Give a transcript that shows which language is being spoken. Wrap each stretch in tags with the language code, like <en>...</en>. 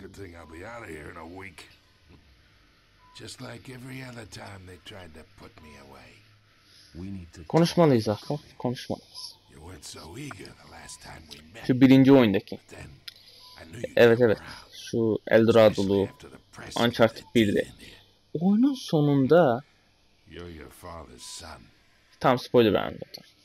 <en>Good thing I'll be out of here in a week. Just like every other time they tried to put me away.</en> <tr>Konuşmalıyız Akka, konuşmalıyız.</tr> <en>You weren't so eager the last time we met.</en> <tr>Şu birinci oyundaki. Evet evet, şu Eldorado'lu Uncharted 1'de. Oyunun sonunda...</tr> <en>You're your father's son.</en> <tr>Tam spoiler vermiyordum.</tr>